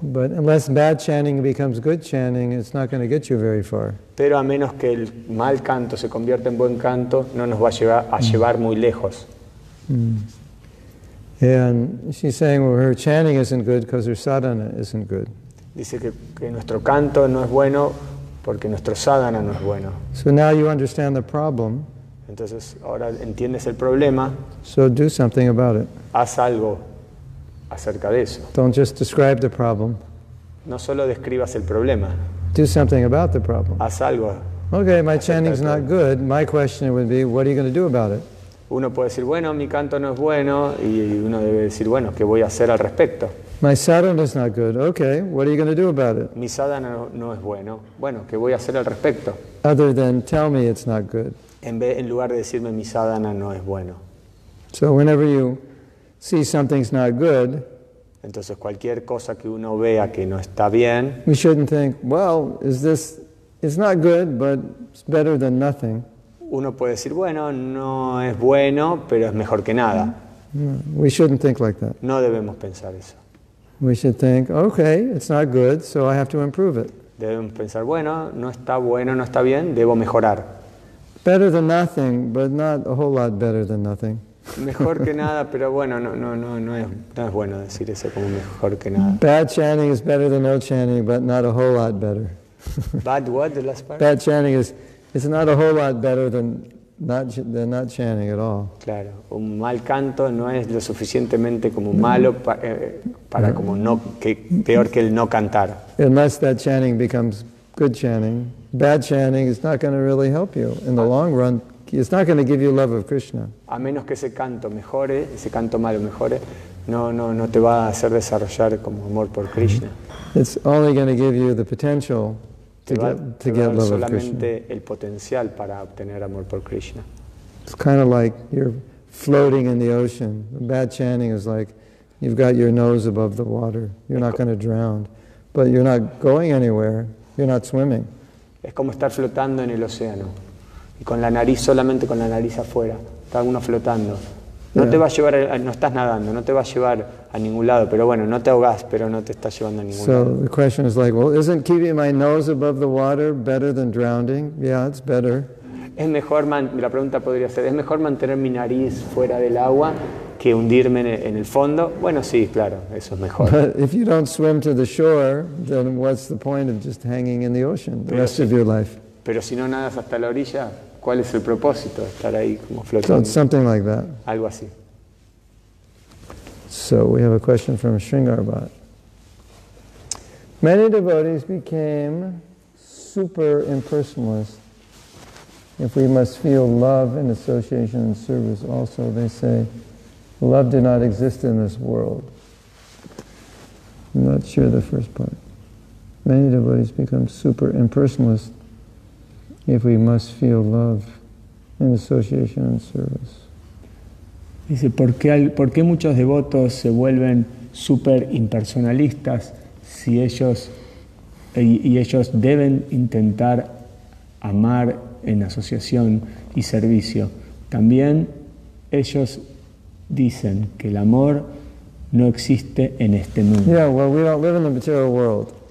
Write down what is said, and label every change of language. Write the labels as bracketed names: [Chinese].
[English] But unless bad chanting becomes good chanting, it's not going to get you very far. [Spanish] Pero a menos que el mal canto se convierta en buen canto, no nos va a llevar muy lejos. [English] And she's saying, well, her chanting isn't good because her sadhana isn't good. [Spanish] Dice que nuestro canto no es bueno porque nuestro sadhana no es bueno. [English] So now you understand the problem. [Spanish] Entonces ahora entiendes el problema. [English] So do something about it. [Spanish] Haz algo acerca de eso. [English] Don't just describe the problem. [Spanish] No solo describas el problema. [English] Do something about the problem. [Spanish] Haz algo. [English] Okay, my chanting is not good. My question would be, what are you going to do about it? [Spanish] Uno puede decir, bueno, mi canto no es bueno, y uno debe decir, bueno, ¿qué voy a hacer al respecto? [English] My sadhana is not good. Okay, what are you going to do about it? [Spanish] Mi sadhana no es bueno. Bueno, ¿qué voy a hacer al respecto? [English] Other than tell me it's not good. [Spanish] En lugar de decirme mi sadhana no es bueno. [English] So whenever you see something's not good, [Spanish] entonces cualquier cosa que uno vea que no está bien, [English] we shouldn't think, well, is this, it's not good, but it's better than nothing. [Spanish] Uno puede decir, bueno, no es bueno, pero es mejor que nada. [English] No, we shouldn't think like that. [Spanish] No debemos pensar eso. [English] We should think, okay, it's not good, so I have to improve it. [Spanish] Debemos pensar, bueno, no está bien, debo mejorar. [English] Better than nothing, but not a whole lot better than nothing. [Spanish] Mejor que nada, pero bueno, no es bueno decir eso como mejor que nada. [English] Bad chanting is better than no chanting, but not a whole lot better. Bad what, the last part? Bad chanting is not a whole lot better than not chanting at all. [Spanish] Claro, un mal canto no es lo suficientemente como malo para como no que peor que el no cantar. [English] Unless that chanting becomes good chanting, bad chanting is not going to really help you in the long run. It's not going to give you love of Krishna. [Spanish] A menos que ese canto malo mejore, no te va a hacer desarrollar como amor por Krishna. [English] It's only going to give you the potential to get love of Krishna. [Spanish] Solamente el potencial para obtener amor por Krishna. [English] It's kind of like you're floating in the ocean. Bad chanting is like you've got your nose above the water. You're not going to drown, but you're not going anywhere. You're not swimming. [Spanish] Es como estar flotando en el océano. Y con la nariz, solamente con la nariz afuera, está uno flotando. No te va a llevar, no estás nadando, no te va a llevar a ningún lado, pero bueno, no te ahogás, pero no te estás llevando a ningún lado. [English] So the question is like, well, isn't keeping my nose above the water better than drowning? Yeah, it's better. [Spanish] Es mejor, la pregunta podría ser, ¿es mejor mantener mi nariz fuera del agua que hundirme en el fondo? Bueno, sí, claro, eso es mejor. [English] But if you don't swim to the shore, then what's the point of just hanging in the ocean the rest of your life? [Spanish] Pero si no nadas hasta la orilla, ¿cuál es el propósito? Estar ahí como flotando. [English] So, something like that. [Spanish] Algo así. [English] So, we have a question from Sringarbhat. Many devotees became super impersonalists. If we must feel love and association and service also, they say, love did not exist in this world. I'm not sure the first part. Many devotees become super impersonalists. If we must feel love in association and service. [Spanish] Dice, ¿por qué muchos devotos se vuelven super impersonalistas si ellos y ellos deben intentar amar en asociación y servicio? También ellos dicen que el amor no existe en este mundo. [English] Yeah, well, we don't live in the material world.